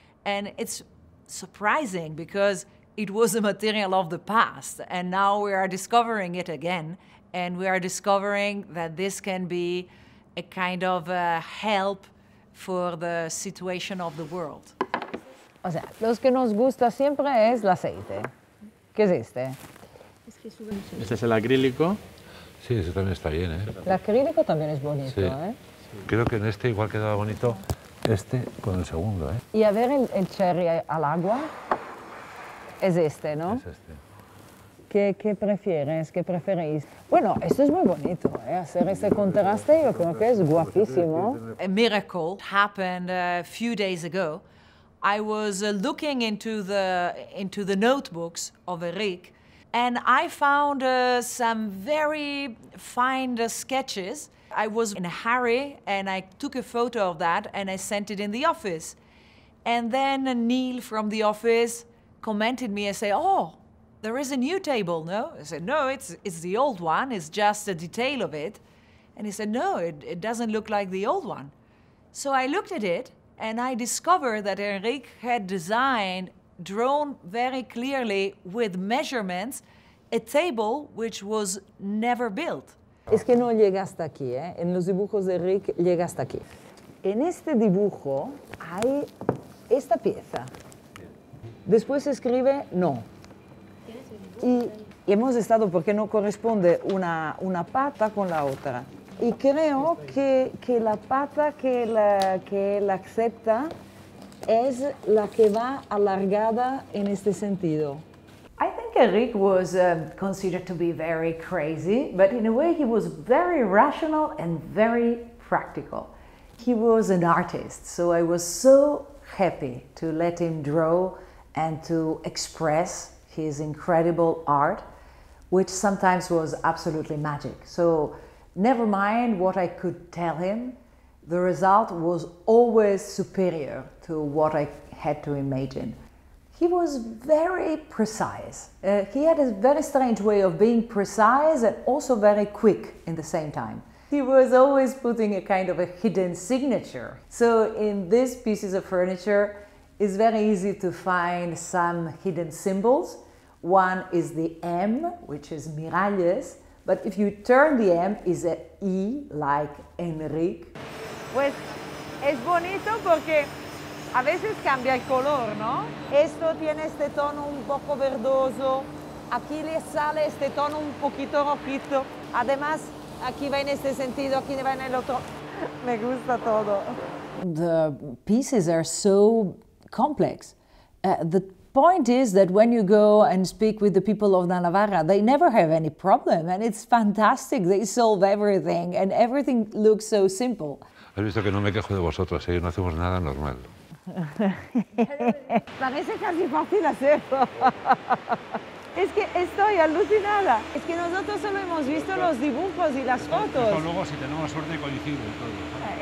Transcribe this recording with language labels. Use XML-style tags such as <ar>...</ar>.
<en>And it's surprising because it was a material of the past, and now we are discovering it again. And we are discovering that this can be a kind of a help for the situation of the world.</en> <es>O sea, los que nos gusta siempre es el aceite. ¿Qué es este? Este es el acrílico. Sí, ese también está bien, ¿eh? El acrílico también es bonito, sí. ¿Eh? Creo que en este igual quedaba bonito este con el segundo, ¿eh? Y a ver el cherry al agua. Es este, ¿no? Es este. ¿Qué prefieres? ¿Qué preferís? Bueno, esto es muy bonito, ¿eh? Hacer este contraste, yo creo que es guapísimo.</es> <en>A miracle happened a few days ago. I was looking into the notebooks of Eric, and I found some very fine sketches. I was in a hurry, and I took a photo of that, and I sent it in the office. And then Neil from the office commented me and said, oh, there is a new table, no? I said, no, it's the old one, it's just a detail of it. And he said, no, it doesn't look like the old one. So I looked at it and I discovered that Eric had designed, drawn very clearly with measurements, a table which was never built.</en> <es>Es que no llega hasta aquí, ¿eh? En los dibujos de Eric llega hasta aquí. En este dibujo hay esta pieza. Después escribe, no. Y hemos estado porque no corresponde una pata con la otra. Y creo que la pata que él acepta es la que va alargada en este sentido.</es> <en>I think Eric was considered to be very crazy, but in a way he was very rational and very practical. He was an artist, so I was so happy to let him draw and to express his incredible art, which sometimes was absolutely magic. So never mind what I could tell him, The result was always superior to what I had to imagine. He was very precise. He had a very strange way of being precise and also very quick in the same time. He was always putting a kind of a hidden signature. So in these pieces of furniture, it's very easy to find some hidden symbols. One is the M, which is Miralles, but if you turn the M, it's an E, like Enrique.</en> <es>Pues es bonito porque a veces cambia el color, ¿no? Esto tiene este tono un poco verdoso. Aquí le sale este tono un poquito rojito. Además, aquí va en este sentido, aquí va en el otro. Me gusta todo.</es> <en>The pieces are so complex. The point is that when you go and speak with the people of La Navarra, they never have any problem, and it's fantastic. They solve everything, and everything looks so simple.</en> <es>Has visto que no me quejo de vosotros, ¿eh? No hacemos nada normal. Parece casi fácil hacerlo. Es que estoy alucinada. Es que nosotros solo hemos visto los dibujos y las fotos. Esto luego, si tenemos suerte, coincide y todo.</es>